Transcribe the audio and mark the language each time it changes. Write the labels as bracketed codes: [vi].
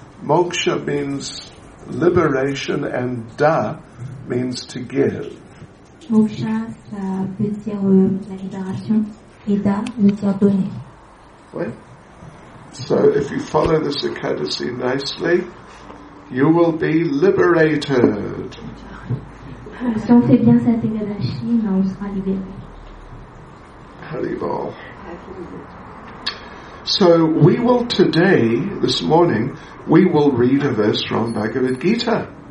[en] Moksha means liberation and da means to give. [fr] Moksha, ça veut dire la libération, et da veut dire donner. [en] Oui. So if you follow this Ekadasi nicely, you will be liberated. [fr] Si on fait bien cette Ekadasi, on sera libéré. Haribol. [en] So we will today, this morning, we will read a verse from Bhagavad Gita.